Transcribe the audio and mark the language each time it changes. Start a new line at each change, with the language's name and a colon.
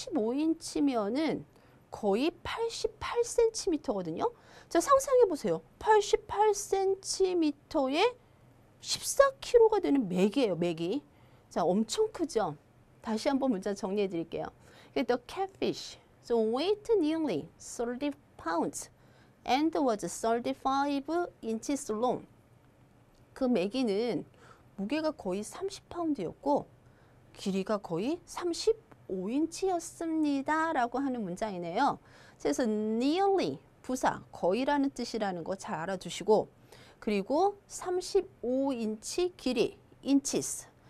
Korean: 35인치면은 거의 88cm거든요. 자, 상상해 보세요. 88cm에 14kg가 되는 매기예요, 매기. 자, 엄청 크죠? 다시 한번 문장 정리해 드릴게요.
English: The catfish, so weight nearly 30 pounds and was 35 inches long.
Korean: 그 매기는 무게가 거의 30파운드였고 길이가 거의 35인치였습니다. 라고 하는 문장이네요. 그래서 nearly, 부사, 거의라는 뜻이라는 거 잘 알아두시고 그리고 35인치 길이, inches.